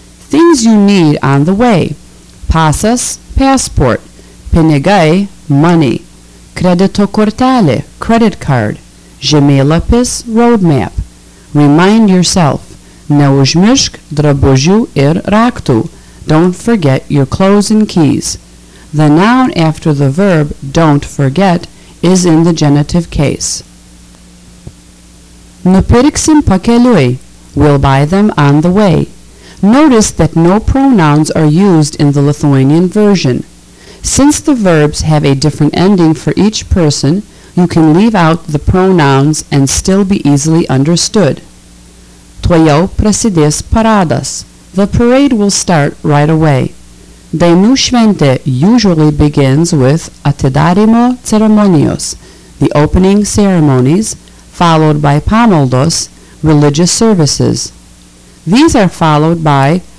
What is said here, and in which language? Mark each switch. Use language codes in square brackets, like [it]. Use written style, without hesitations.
[en] Things you need on the way. Pasas, passport, pinigai, money, [lt] kredito kortelė, [en] credit card, žemėlapis, roadmap. Remind yourself, [lt] neužmiršk drabužių ir raktų. [en] Don't forget your clothes and keys. The noun after the verb, don't forget, is in the genitive case. [lt] Nupirksim pakeliui. [en] We'll buy them on the way. Notice that no pronouns are used in the Lithuanian version. Since the verbs have a different ending for each person, you can leave out the pronouns and still be easily understood. [lt] Tuojau prasidės paradas. [en] The parade will start right away. Dainų šventė usually begins with [lt] atidarimo ceremonijos, [en] the opening ceremonies, followed by pamaldos, religious services. These are followed by